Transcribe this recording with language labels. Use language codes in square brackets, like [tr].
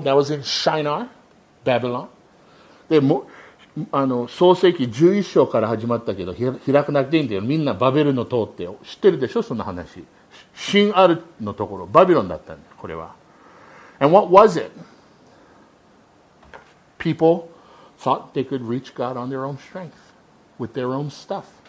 [en] That was in Shinar, Babylon. [ja] で、も、創世記11章から始まったけど、開かなくていいんだよ。みんなバベルの塔って知ってるでしょ、そんな話。神あるのところ、バビロンだったんだ、これは。 [en] And what was it? People thought they could reach God on their own strength, with their own stuff.